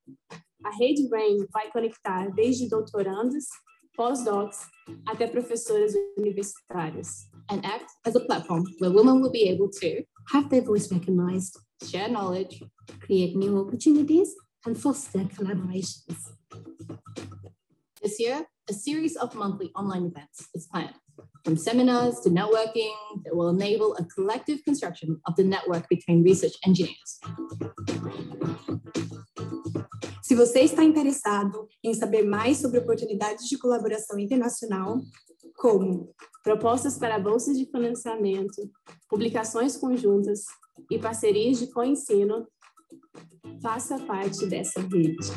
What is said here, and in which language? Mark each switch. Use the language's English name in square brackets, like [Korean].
[Portuguese] A rede WREN vai conectar desde doutorandos, pós-docs, até professoras universitárias. [English] And act as a platform where women will be able to have their voice recognized, share knowledge, create new opportunities, and foster collaborations. This year, a series of monthly online events is planned. From seminars to networking, that will enable a collective construction of the network between research engineers. [Portuguese] Se você está interessado em saber mais sobre oportunidades de colaboração internacional, como propostas para bolsas de financiamento, publicações conjuntas e parcerias de co-ensino, faça parte dessa rede.